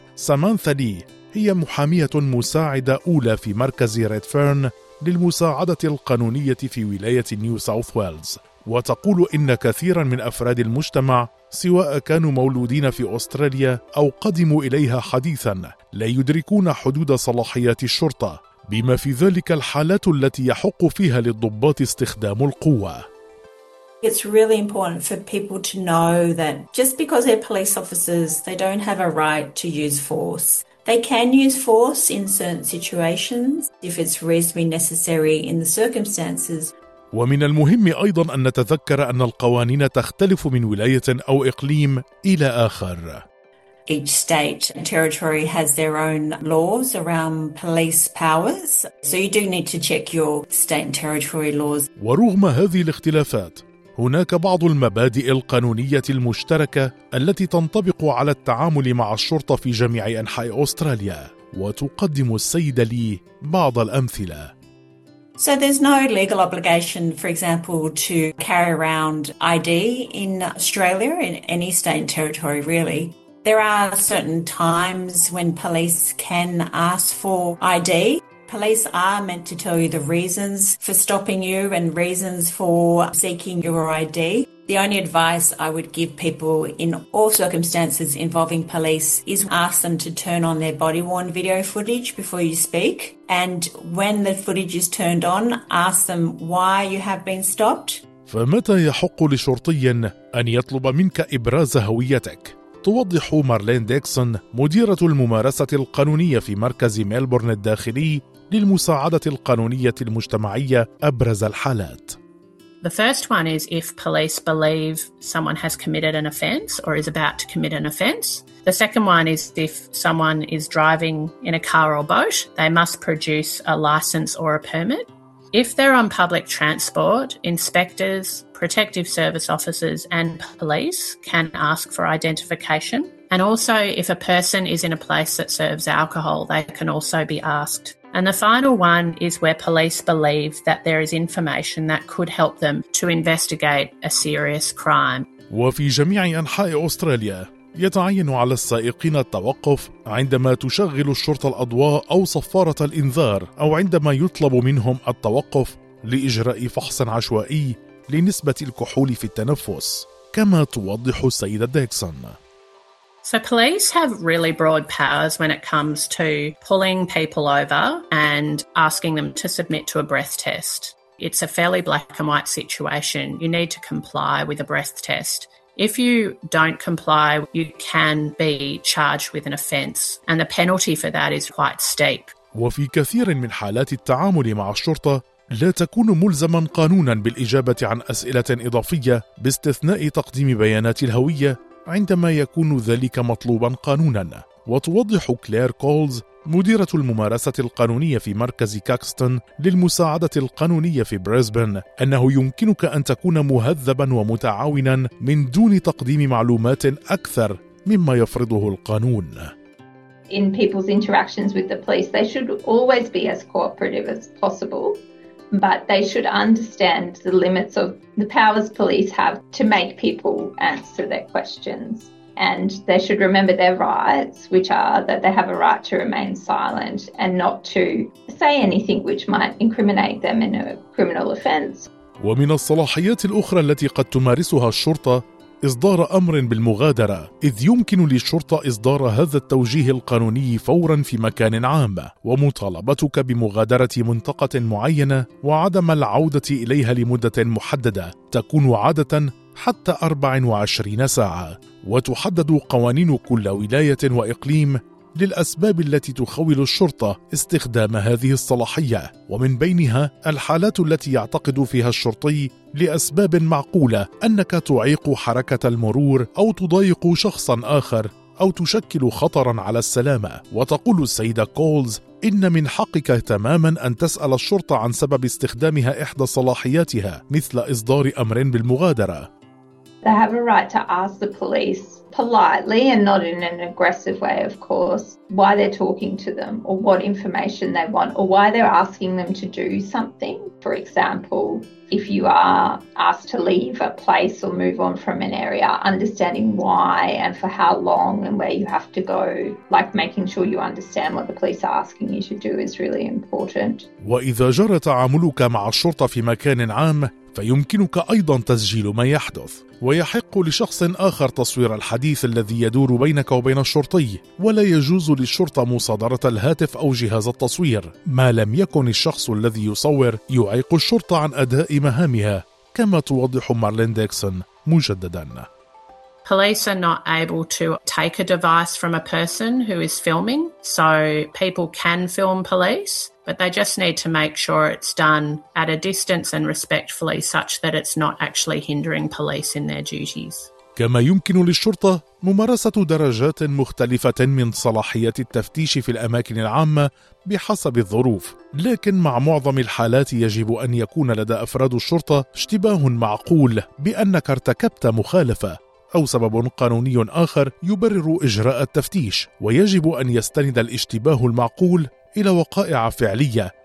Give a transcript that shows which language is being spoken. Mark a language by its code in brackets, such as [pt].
[ar] سامانثا لي هي محامية مساعدة أولى في مركز ريدفيرن للمساعدة القانونية في ولاية نيو ساوث ويلز، وتقول إن كثيرا من أفراد المجتمع سواء كانوا مولودين في أستراليا أو قدموا إليها حديثا لا يدركون حدود صلاحيات الشرطة، بما في ذلك الحالات التي يحق فيها للضباط استخدام القوة. [en] It's really important for people to know that just because they're police officers, they don't have a right to use force. They can use force in certain situations if it's reasonably necessary in the circumstances. [ar] ومن المهم أيضاً أن نتذكر أن القوانين تختلف من ولاية أو إقليم إلى آخر. [en] Each state and territory has their own laws around police powers, so you do need to check your state and territory laws. [ar] ورغم هذه الاختلافات، هناك بعض المبادئ القانونية المشتركة التي تنطبق على التعامل مع الشرطة في جميع أنحاء أستراليا، وتقدم السيدة لي بعض الأمثلة. [en] So there's no legal obligation, for example, to carry around ID in Australia, in any state and territory, really. There are certain times when police can ask for ID. Police are meant to tell you the reasons for stopping you and reasons for seeking your ID. The only advice I would give people in all circumstances involving police is ask them to turn on their body-worn video footage before you speak. And when the footage is turned on, ask them why you have been stopped. [ar] فمتى يحق لشرطي أن يطلب منك إبراز هويتك؟ توضح مارلين ديكسون مديرة الممارسة القانونية في مركز ميلبورن الداخلي للمساعدة القانونية المجتمعية أبرز الحالات. [en] The first one is if police believe someone has committed an offence or is about to commit an offence. The second one is if someone is driving in a car or boat, they must produce a licence or a permit. If they're on public transport, inspectors, protective service officers and police can ask for identification. And also if a person is in a place that serves alcohol, they can also be asked. And the final one is where police believe that there is information that could help them to investigate a serious crime. [ar] وفي جميع أنحاء أستراليا يتعين على السائقين التوقف عندما تشغل الشرطة الأضواء أو صفارة الإنذار أو عندما يطلب منهم التوقف لإجراء فحص عشوائي لنسبة الكحول في التنفس كما توضح السيدة ديكسون. [en] So police have really broad powers when it comes to pulling people over and asking them to submit to a breath test. It's a fairly black and white situation. You need to comply with a breath test. If you don't comply, you can be charged with an offence, and the penalty for that is quite steep. [ar] وفي كثير من حالات التعامل مع الشرطة لا تكون ملزما قانونا بالإجابة عن أسئلة إضافية باستثناء تقديم بيانات الهوية عندما يكون ذلك مطلوبا قانونا. وتوضح كلير كولز مديرة الممارسة القانونية في مركز كاكستون للمساعدة القانونية في بريسبن أنه يمكنك أن تكون مهذبا ومتعاونا من دون تقديم معلومات أكثر مما يفرضه القانون. [en] In people's interactions with the police, they should always be as cooperative as possible. But they should understand the limits of the powers police have to make people answer their questions. And they should remember their rights, which are that they have a right to remain silent and not to say anything which might incriminate them in a criminal offence. [ar] ومن الصلاحيات الأخرى التي قد تمارسها الشرطة إصدار أمر بالمغادرة، إذ يمكن للشرطة إصدار هذا التوجيه القانوني فورا في مكان عام ومطالبتك بمغادرة منطقة معينة وعدم العودة إليها لمدة محددة تكون عادة حتى 24 ساعة. وتحدد قوانين كل ولاية وإقليم للأسباب التي تخول الشرطة استخدام هذه الصلاحية، ومن بينها الحالات التي يعتقد فيها الشرطي لأسباب معقولة أنك تعيق حركة المرور أو تضايق شخصاً آخر أو تشكل خطراً على السلامة. وتقول السيدة كولز إن من حقك تماماً أن تسأل الشرطة عن سبب استخدامها إحدى صلاحياتها مثل إصدار أمر بالمغادرة. [en] They have a right to ask the police politely and not in an aggressive way, of course, why they're talking to them or what information they want or why they're asking them to do something. For example, if you are asked to leave a place or move on from an area, understanding why and for how long and where you have to go, like making sure you understand what the police are asking you to do is really important. [ar] وإذا جرى تعاملك مع الشرطة في مكان عام فيمكنك أيضا تسجيل ما يحدث، ويحق لشخص آخر تصوير الحديث الذي يدور بينك وبين الشرطي، ولا يجوز للشرطة مصادرة الهاتف أو جهاز التصوير ما لم يكن الشخص الذي يصور يعيق الشرطة عن أداء مهامها، كما توضح مارلين ديكسون مجددا. [en] Police are not able to take a device from a person who is filming, so people can film police, but they just need to make sure it's done at a distance and respectfully such that it's not actually hindering police in their duties. [ar] كما يمكن للشرطة ممارسة درجات مختلفة من صلاحيات التفتيش في الأماكن العامة بحسب الظروف، لكن مع معظم الحالات يجب أن يكون لدى أفراد الشرطة اشتباه معقول بأنك ارتكبت مخالفة أو سبب قانوني آخر يبرر إجراء التفتيش، ويجب أن يستند الاشتباه المعقول إلى وقائع فعلية